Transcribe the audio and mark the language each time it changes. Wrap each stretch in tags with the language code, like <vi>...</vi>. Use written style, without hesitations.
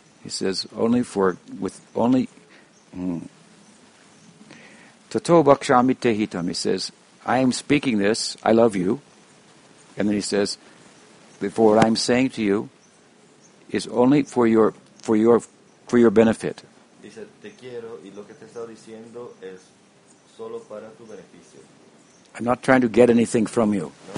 <en>He says,</en> <sa>"Tato vakshami te hitam."</sa> <en>He says, "I am speaking this. I love you." And then he says, "Before what I'm saying to you is only for your benefit."</en> <es>Dice, te quiero, y lo que te estoy diciendo es solo para tu beneficio.</es> <en>I'm not trying to get anything from you.</en>